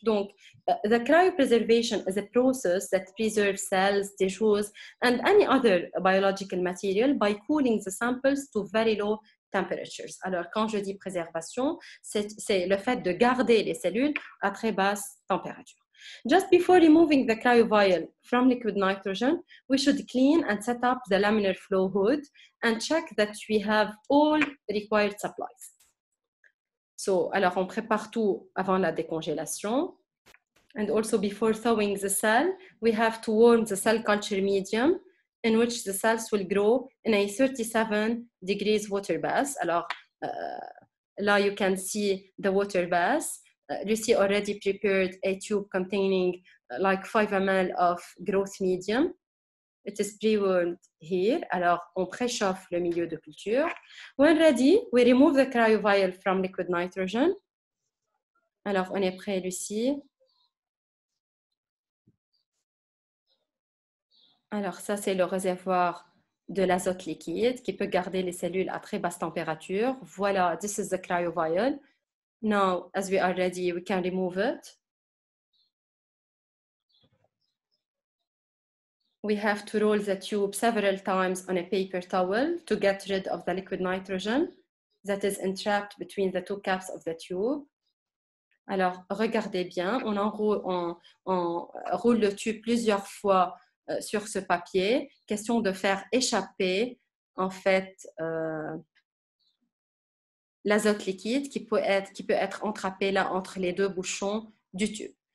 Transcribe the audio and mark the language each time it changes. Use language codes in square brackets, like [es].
[en] Donc, the cryopreservation is a process that preserves cells, tissues, and any other biological material by cooling the samples to very low temperatures. [fr] Alors, quand je dis préservation, c'est le fait de garder les cellules à très basse température. [en] Just before removing the cryovial from liquid nitrogen, we should clean and set up the laminar flow hood and check that we have all required supplies. [fr] So, alors on prépare tout avant la décongélation. [en] And also before thawing the cell, we have to warm the cell culture medium in which the cells will grow in a 37 degrees water bath. [fr] Alors, là, [en] you can see the water bath. Lucy already prepared a tube containing like 5 ml of growth medium. It is pre-warmed here. [fr] Alors, on préchauffe le milieu de culture. [en] When ready, we remove the cryovial from liquid nitrogen. [fr] Alors, on est prêt, Lucy. Alors, ça, c'est le réservoir de l'azote liquide qui peut garder les cellules à très basse température. [en] Voilà, this is the cryovial. Now, as we are ready, we can remove it. We have to roll the tube several times on a paper towel to get rid of the liquid nitrogen that is entrapped between the two caps of the tube. [fr] Alors, regardez bien, on roule le tube plusieurs fois sur ce papier, question de faire échapper en fait l'azote liquide qui peut être entrapé là entre les deux bouchons du tube.